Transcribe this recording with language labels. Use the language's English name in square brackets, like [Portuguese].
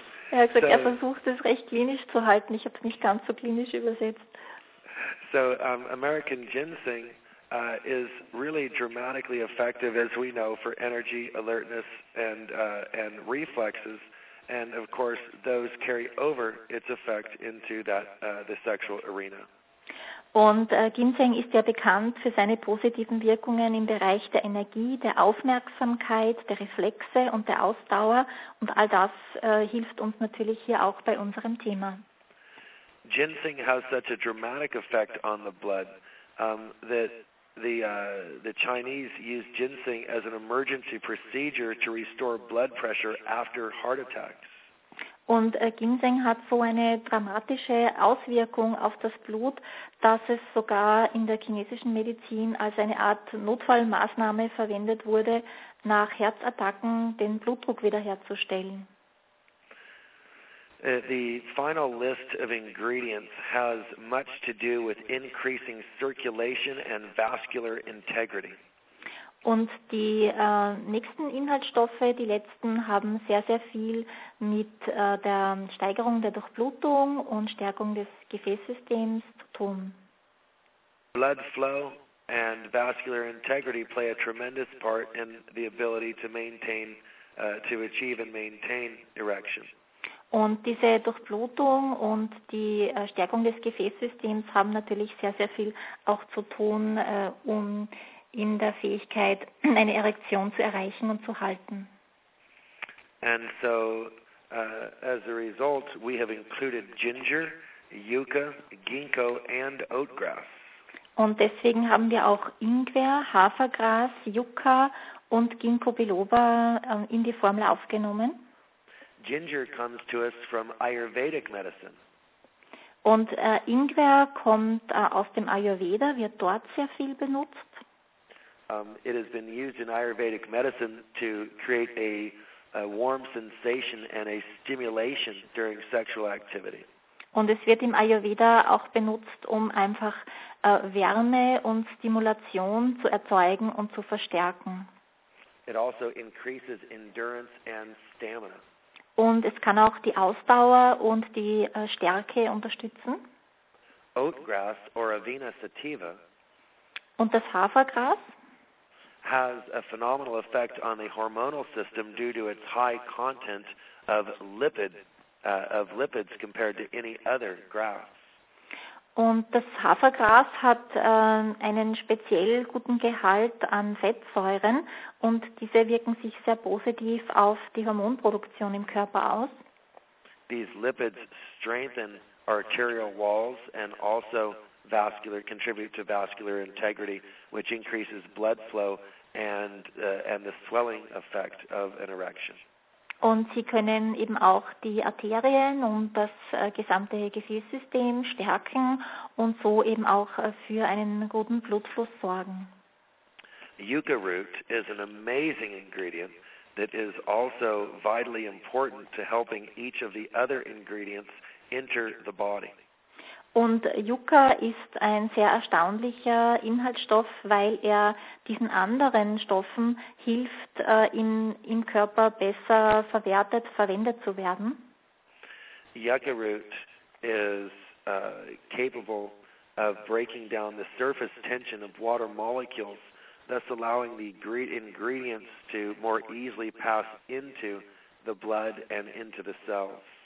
[German] Er hat gesagt, er versucht es recht klinisch zu halten. Ich habe es nicht ganz so klinisch übersetzt. [English] So American ginseng is really dramatically effective, as we know, for energy, alertness, and reflexes. And of course, those carry over its effect into that the sexual arena. [German] Und Ginseng ist ja bekannt für seine positiven Wirkungen im Bereich der Energie, der Aufmerksamkeit, der Reflexe und der Ausdauer. Und all das hilft uns natürlich hier auch bei unserem Thema. [English] Ginseng has such a dramatic effect on the blood that the Chinese use ginseng as an emergency procedure to restore blood pressure after heart attacks. [German] Und Ginseng hat so eine dramatische Auswirkung auf das Blut, dass es sogar in der chinesischen Medizin als eine Art Notfallmaßnahme verwendet wurde, nach Herzattacken den Blutdruck wiederherzustellen. [English] The final list of ingredients has much to do with increasing circulation and vascular integrity. [German] Und die nächsten Inhaltsstoffe, die letzten, haben sehr, sehr viel mit der Steigerung der Durchblutung und Stärkung des Gefäßsystems zu tun. [English] Blood flow and vascular integrity play a tremendous part in the ability to maintain, to achieve and maintain erection. [German] Und diese Durchblutung und die Stärkung des Gefäßsystems haben natürlich sehr, sehr viel auch zu tun, um in der Fähigkeit, eine Erektion zu erreichen und zu halten. [English] And so, as a result, we have included ginger, yucca, ginkgo and oatgrass. [German] Und deswegen haben wir auch Ingwer, Hafergras, Yucca und Ginkgo biloba in die Formel aufgenommen. [English] Ginger comes to us from Ayurvedic medicine. [German] Und Ingwer kommt aus dem Ayurveda, wird dort sehr viel benutzt. [English] It has been used in Ayurvedic medicine to create a warm sensation and a stimulation during sexual activity. [German] Und es wird im Ayurveda auch benutzt, um einfach Wärme und Stimulation zu erzeugen und zu verstärken. [English] It also increases endurance and stamina. [German] Und es kann auch die Ausdauer und die Stärke unterstützen. [English] Oatgrass or Avena sativa. [German] Und das Hafergras [English] has a phenomenal effect on the hormonal system due to its high content of lipids compared to any other grass. [German] Und das Hafergras hat einen speziell guten Gehalt an Fettsäuren und diese wirken sich sehr positiv auf die Hormonproduktion im Körper aus. [English] These lipids strengthen arterial walls and also contribute to vascular integrity, which increases blood flow and the swelling effect of an erection. [German] Und sie können eben auch die Arterien und das gesamte Gefäßsystem stärken und so eben auch für einen guten Blutfluss sorgen. [English] Yucca root is an amazing ingredient that is also vitally important to helping each of the other ingredients enter the body. [German] Und Yucca ist ein sehr erstaunlicher Inhaltsstoff, weil er diesen anderen Stoffen hilft, im Körper besser verwendet zu werden. [English] Yucca root is capable of breaking down the surface tension of water molecules, thus allowing the ingredients to more easily pass into the blood and into the cells.